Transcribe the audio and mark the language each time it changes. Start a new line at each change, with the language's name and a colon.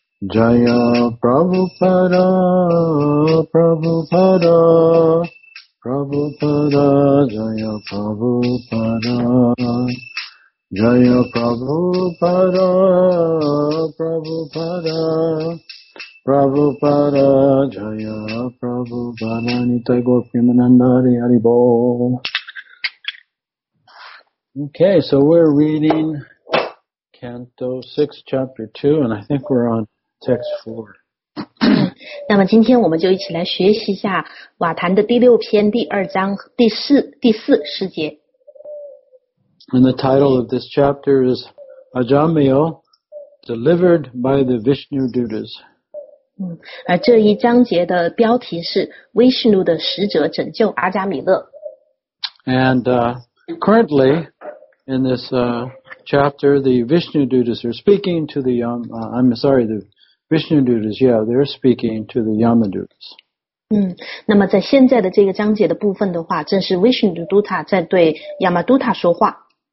Sanskrit: Jaya Prabhupada Prabhupada Prabhupada Jaya Prabhupada Jaya Prabhupada Prabhupada Prabhupada Jaya Prabhupada Nitai Gaur Premananda Hari Bol.
English: Okay, so we're reading Canto 6, Chapter 2, and I think we're on Text 4.
Chinese: 那么今天我们就一起来学习一下瓦坛的第六篇第二章第四十节。
English: And the title of this chapter is Ajamayo, Delivered by the Vishnu Dutas.
Chinese: 而这一章节的标题是威士奴的使者拯救阿加米勒。
English: And currently, in this chapter, the Vishnu Dutas are speaking to the Vishnu Dutas, yeah, they're speaking to the Yama Dutas.
Chinese: 那么在现在的这个章节的部分的话，正是 Vishnu Duta 在对 Yama Duta 说话。